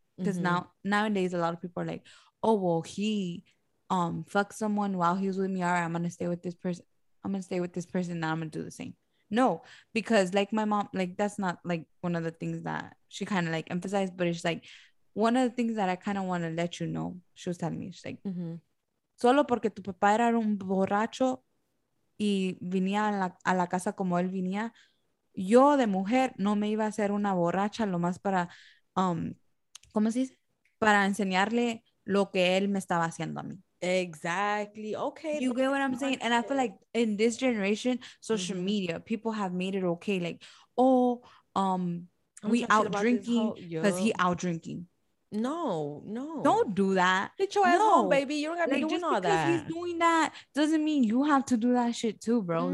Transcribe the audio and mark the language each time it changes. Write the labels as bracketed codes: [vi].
[en] Because nowadays, a lot of people are like, oh, well, he fuck someone while he was with me. All right, I'm gonna stay with this person. I'm gonna stay with this person. Now I'm gonna do the same. No, because like my mom, like that's not like one of the things that she kind of like emphasized. But it's like one of the things that I kind of want to let you know. She was telling me, she's like, [es] solo porque tu papá era un borracho y venía a la casa como él venía, Yo de mujer no me iba a hacer una borracha, lo más para, ¿cómo se dice? Para enseñarle lo que él me estaba haciendo a mí. [en] Exactly. Okay. You get what I'm saying? And I feel like in this generation, social media, people have made it okay. Like, oh, we out drinking because he out drinking. No, no. Don't do that. Get your ass home, baby. You don't got to be doing all that. Just because he's doing that doesn't mean you have to do that shit too, bro. Mm-hmm.